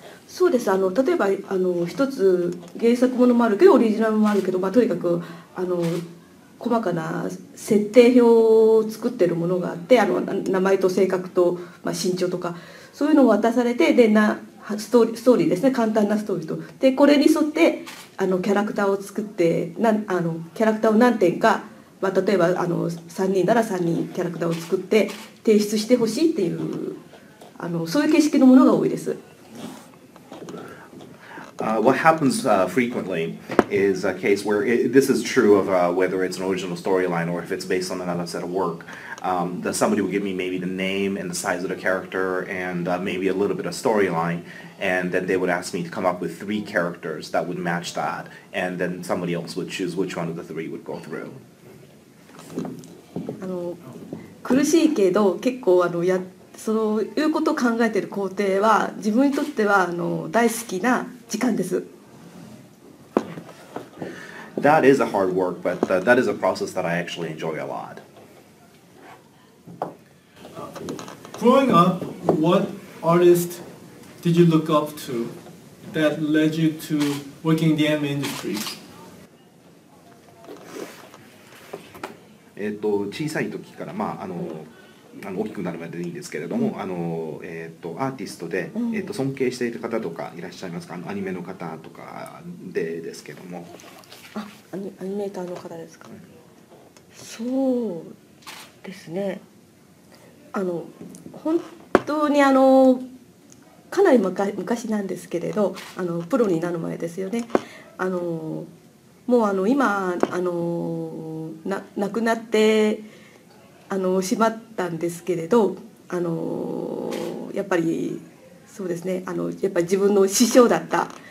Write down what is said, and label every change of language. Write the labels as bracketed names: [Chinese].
[Japanese] そうです、あの例えばあの一つ原作ものもあるけどオリジナルもあるけど、まあ、とにかくあの細かな設定表を作ってるものがあって、あの名前と性格と、まあ、身長とかそういうのを渡されて、でなストーリーですね、簡単なストーリーと、でこれに沿ってあのキャラクターを作って、なあのキャラクターを何点か、まあ、例えばあの3人なら3人キャラクターを作って提出してほしいっていう、あのそういう形式のものが多いです。 [English] What happens frequently is a case where this is true of whether it's an original storyline or if it's based on another set of work. That somebody will give me maybe the name and the size of the character and maybe a little bit of storyline, and then they would ask me to come up with three characters that would match that, and then somebody else would choose which one of the three would go through. [Japanese] あの、苦しいけど結構あのやそういうことを考えている工程は自分にとってはあの大好きな時間です。 [English] That is a hard work, but that is a process that I actually enjoy a lot. Growing up, what artist did you look up to that led you to working in the anime industry? [Japanese] 小さい時から、まあ、あの大きくなるまででいいんですけれども、うん、あのアーティストで、尊敬している方とかいらっしゃいますか、アニメの方とかでですけども、あ、アニメーターの方ですか、はい、そうですね、あの本当にあのかなり昔なんですけれど、あのプロになる前ですよね、あのもうあの今あの亡くなってあのしまったんですけれど、あのやっぱりそうですね、あのやっぱり自分の師匠だった